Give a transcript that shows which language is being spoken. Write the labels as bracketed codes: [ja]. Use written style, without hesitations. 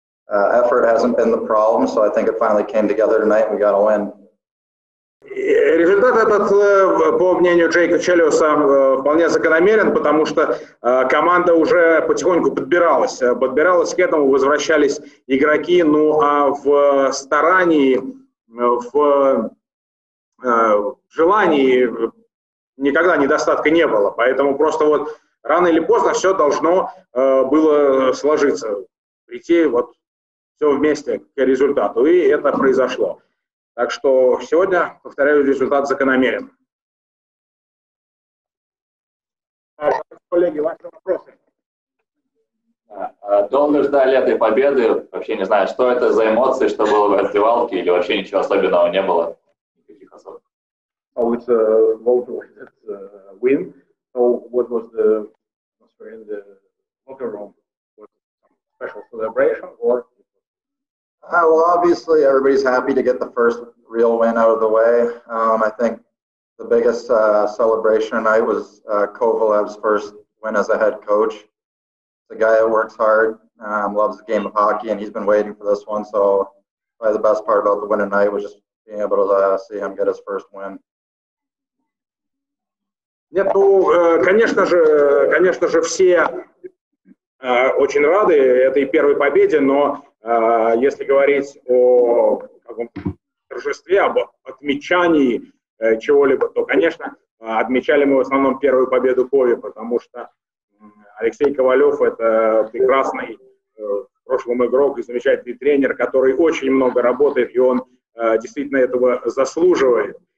[en] Effort hasn't been the problem, so I think it finally came together tonight and we got a win. [ru] Результат этот, по мнению Джейка Челиуса, вполне закономерен, потому что команда уже потихоньку подбиралась к этому, возвращались игроки, ну а в старании, в желании никогда недостатка не было. Поэтому просто вот рано или поздно все должно было сложиться, прийти вот все вместе к результату. И это произошло. Так что сегодня, повторяю, результат закономерен. Коллеги, ваши вопросы. Долго ждали этой победы. Вообще не знаю, что это за эмоции, что было в раздевалке, или вообще ничего особенного не было. Никаких особых. [en] Oh, it's a well-awaited win. So what was the atmosphere in the locker room? Was it a special celebration? Well, obviously, everybody's happy to get the first real win out of the way. I think the biggest celebration tonight was Kovalev's first win as a head coach. It's a guy that works hard, loves the game of hockey, and he's been waiting for this one. So probably the best part about the win tonight was just being able to see him get his first win. [ru] Нет, ну, конечно же, все очень рады этой первой победе, но если говорить о торжестве, об отмечании чего-либо, то, конечно, отмечали мы в основном первую победу Кови, потому что Алексей Ковалев – это прекрасный в прошлом игрок и замечательный тренер, который очень много работает, и он действительно этого заслуживает.